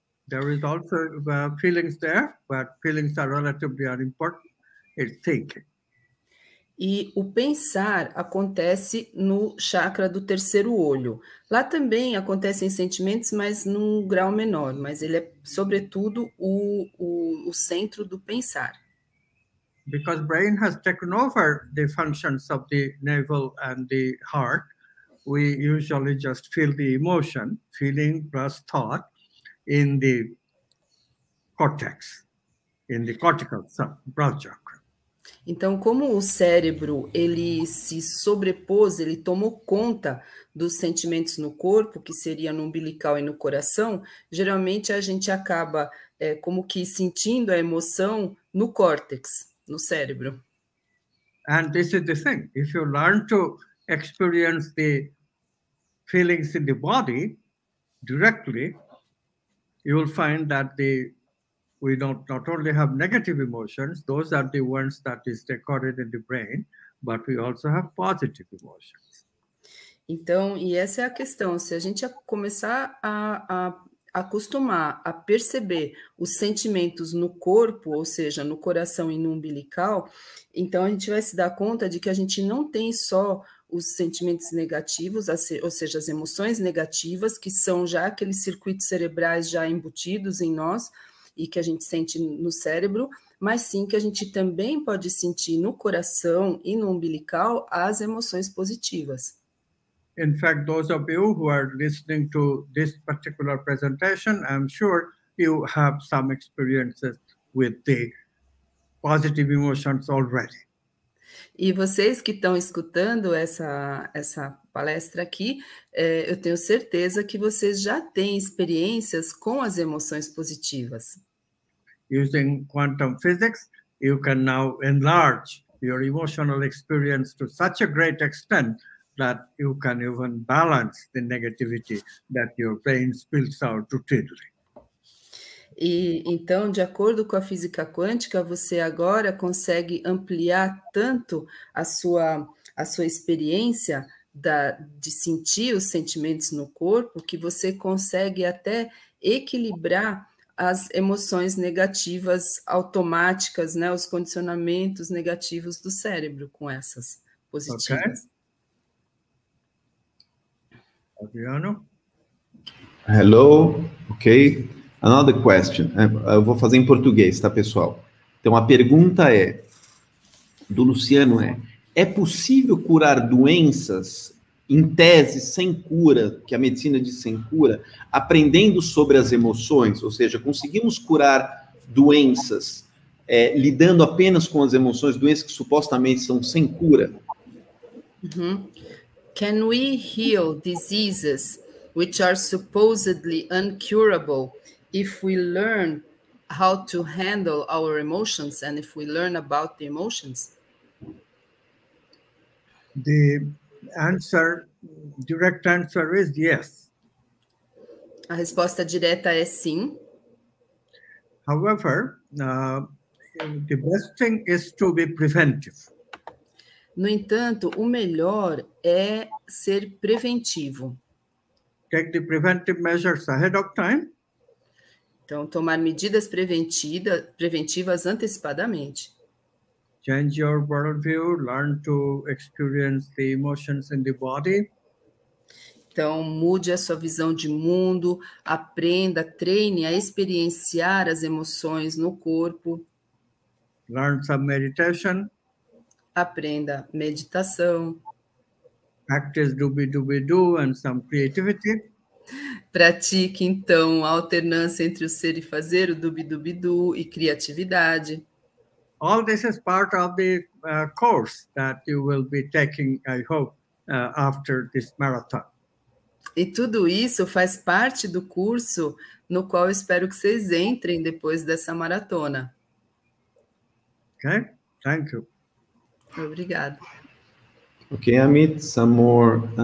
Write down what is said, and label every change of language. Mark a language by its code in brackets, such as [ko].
[en] There is also feelings there, but feelings are relatively unimportant. el thinking. [pt] E o pensar acontece no chakra do terceiro olho. Lá também acontecem sentimentos, mas num grau menor. Mas ele é, sobretudo, o centro do pensar. [en] Because brain has taken over the functions of the navel and the heart, we usually just feel the emotion, feeling plus thought, in the cortex, in the cortical brow chakra. [pt] Então, como o cérebro, ele se sobrepôs, ele tomou conta dos sentimentos no corpo, que seria no umbilical e no coração, geralmente a gente acaba como que sentindo a emoção no córtex, no cérebro. [en] And this is the thing. If you learn to experience the feelings in the body directly, you will find that the we don't not only have negative emotions, those are the ones that is recorded in the brain, but we also have positive emotions. [pt] Então, e essa é a questão, se a gente começar a acostumar a perceber os sentimentos no corpo, ou seja, no coração e no umbilical, então a gente vai se dar conta de que a gente não tem só os sentimentos negativos, ou seja, as emoções negativas, que são já aqueles circuitos cerebrais já embutidos em nós, e que a gente sente no cérebro, mas sim que a gente também pode sentir no coração e no umbilical as emoções positivas. [en] In fact, those of you who are listening to this particular presentation, I'm sure you have some experiences with the positive emotions already. [pt] E vocês que estão escutando essa palestra aqui, eu tenho certeza que vocês já têm experiências com as emoções positivas. [en] Using quantum physics, you can now enlarge your emotional experience to such a great extent that you can even balance the negativity that your brain spills out routinely. [pt] E então, de acordo com a física quântica, você agora consegue ampliar tanto a sua experiência de sentir os sentimentos no corpo, que você consegue até equilibrar as emoções negativas automáticas, né, os condicionamentos negativos do cérebro com essas positivas. [en] Okay. Adriano? Hello, ok. Another question. [pt] Eu vou fazer em português, tá, pessoal? Então, a pergunta é, do Luciano é possível curar doenças, em tese, sem cura, que a medicina diz sem cura, aprendendo sobre as emoções, ou seja, conseguimos curar doenças lidando apenas com as emoções, doenças que supostamente são sem cura? Uh-huh. [en] Can we heal diseases which are supposedly incurable if we learn how to handle our emotions and if we learn about the emotions? The answer, direct answer is yes. [pt] A resposta direta é sim. [en] However, the best thing is to be preventive. [pt] No entanto, o melhor é ser preventivo. [en] Take the preventive measures ahead of time. [pt] Então, tomar medidas preventivas antecipadamente. [en] Change your worldview, learn to experience the emotions in the body. [pt] Então, mude a sua visão de mundo, aprenda, treine a experienciar as emoções no corpo. [en] Learn some meditation. [pt] Aprenda meditação. [en] Practice dooby-dooby-doo and some creativity. [pt] Pratique, então, a alternância entre o ser e fazer, o dooby-dooby-doo e criatividade. [en] All this is part of the course that you will be taking, I hope, after this marathon. [pt] E tudo isso faz parte do curso no qual eu espero que vocês entrem depois dessa maratona. [en] Okay, thank you. [pt] Obrigada. [en] Okay, Amit, some more.